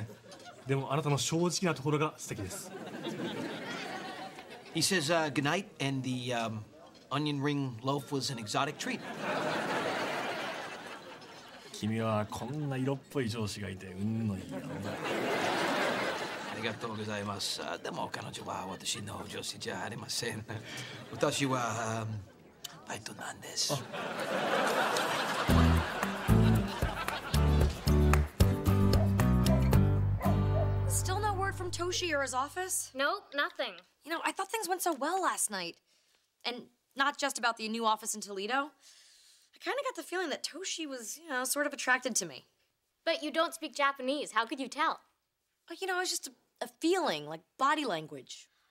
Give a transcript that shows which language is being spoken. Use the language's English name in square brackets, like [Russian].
[Japanese] お気の毒に、それは大変ですね。でも、あなたの正直なところが素敵です。 [English] He says good night, and the onion ring loaf was an exotic treat. [Japanese] 君はこんな色っぽい上司がいて運のいい女だ。ありがとうございます。でも彼女は私の上司じゃありません。私はバイトなんです。 [English] Still no word from Toshiya or his office? Nope, nothing. You know, I thought things went so well last night. And not just about the new office in Toledo. I kind of got the feeling that Toshi was, you know, sort of attracted to me. But you don't speak Japanese. How could you tell? Oh, you know, it was just a feeling, like body language.